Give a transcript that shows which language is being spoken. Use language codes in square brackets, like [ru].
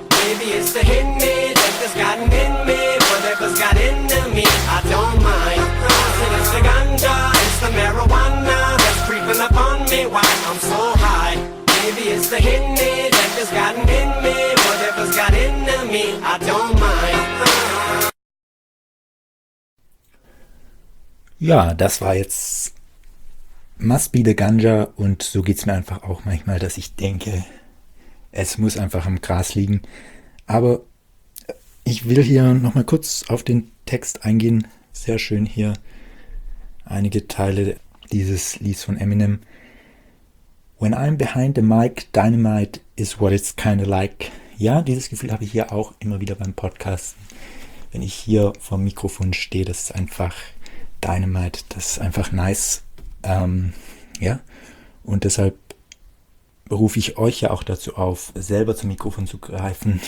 [en] Maybe it's the Hindi that has gotten in me, whatever's got into me, I don't mind. Said it's the ganja, it's the marijuana that's creeping up on me while I'm so high. Maybe it's the Hindi that has gotten in me, whatever's got into me, I don't mind. [de] Ja, das war jetzt Must Be the Ganja und so geht es mir einfach auch manchmal, dass ich denke, es muss einfach im Gras liegen. Aber ich will hier nochmal kurz auf den Text eingehen. Sehr schön hier einige Teile dieses Lieds von Eminem. [en] When I'm behind the mic, dynamite is what it's kinda like. [de] Ja, dieses Gefühl habe ich hier auch immer wieder beim Podcasten. Wenn ich hier vorm Mikrofon stehe, das ist einfach Dynamite, das ist einfach nice. Ja, und deshalb rufe ich euch ja auch dazu auf, selber zum Mikrofon zu greifen.